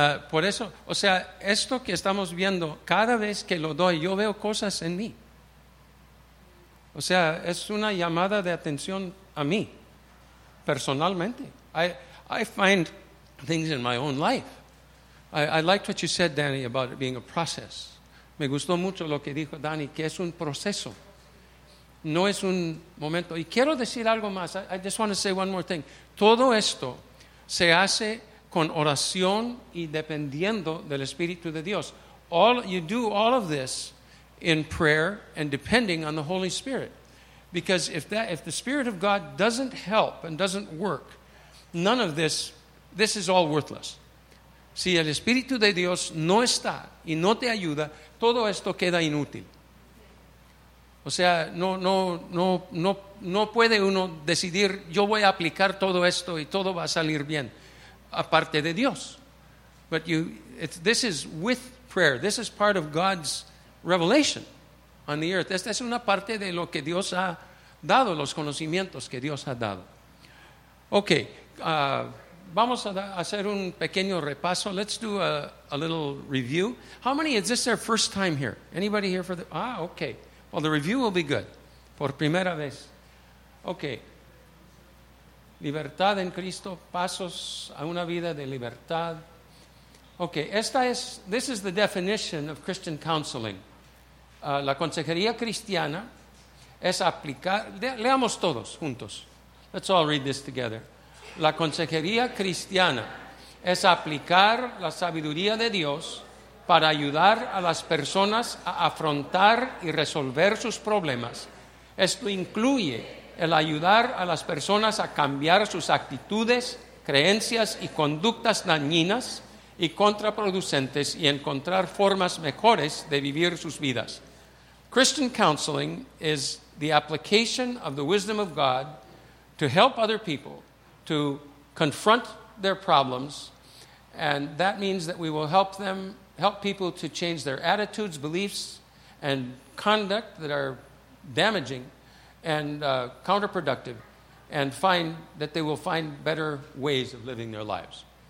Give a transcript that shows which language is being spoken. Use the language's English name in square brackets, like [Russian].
[Spanish] Por eso, o sea, esto que estamos viendo, cada vez que lo doy, yo veo cosas en mí. O sea, es una llamada de atención a mí, personalmente. [English] I find things in my own life. I liked what you said, Danny, about it being a process. [Spanish] Me gustó mucho lo que dijo Danny, que es un proceso. No es un momento. Y quiero decir algo más. [English] I just want to say one more thing. [Spanish] Todo esto se hace con oración y dependiendo del Espíritu de Dios. [English] All you do all of this in prayer and depending on the Holy Spirit. Because if the Spirit of God doesn't help and doesn't work, none of this is all worthless. [Spanish] Si el Espíritu de Dios no está y no te ayuda, todo esto queda inútil. O sea, no puede uno decidir, yo voy a aplicar todo esto y todo va a salir bien. Aparte de Dios. [English] But this is with prayer. This is part of God's revelation on the earth. [Spanish] Esta es una parte de lo que Dios ha dado, los conocimientos que Dios ha dado. Okay, vamos a hacer un pequeño repaso. [English] Let's do a little review. How many, is this their first time here? Anybody here for the, okay. Well, the review will be good. [Spanish] Por primera vez. [English] Okay. [Spanish] Libertad en Cristo, pasos a una vida de libertad. [English] Okay, this is the definition of Christian counseling. [Spanish] La consejería cristiana es aplicar, leamos todos juntos. [English] Let's all read this together. [Spanish] La consejería cristiana es aplicar la sabiduría de Dios para ayudar a las personas a afrontar y resolver sus problemas. Esto incluye el ayudar a las personas a cambiar sus actitudes, creencias y conductas dañinas y contraproducentes y encontrar formas mejores de vivir sus vidas. [English] Christian counseling is the application of the wisdom of God to help other people to confront their problems, and that means that we will help people to change their attitudes, beliefs, and conduct that are damaging and counterproductive, and find that they will find better ways of living their lives.